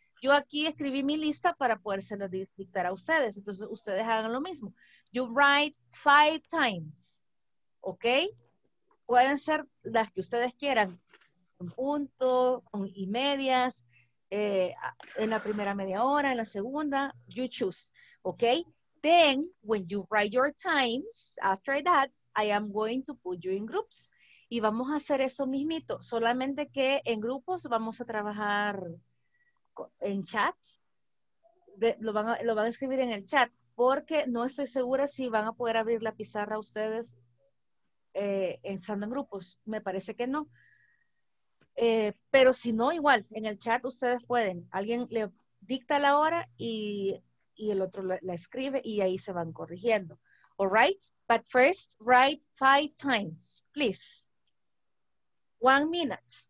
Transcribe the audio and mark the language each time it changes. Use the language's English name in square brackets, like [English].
[Spanish] Yo aquí escribí mi lista para poderse la dictar a ustedes. Entonces, ustedes hagan lo mismo. [English] You write 5 times. [Spanish] ¿Ok? Pueden ser las que ustedes quieran. Un punto, con y medias, en la primera media hora, en la segunda. [English] You choose. ¿Ok? Then, when you write your times, after that, I am going to put you in groups. [Spanish] Y vamos a hacer eso mismito. Solamente que en grupos vamos a trabajar... en chat, lo van a escribir en el chat, porque no estoy segura si van a poder abrir la pizarra ustedes estando en grupos. Me parece que no, pero si no, igual en el chat ustedes pueden, alguien le dicta la hora y el otro la escribe y ahí se van corrigiendo. [English] All right, but first write 5 times, please. 1 minute.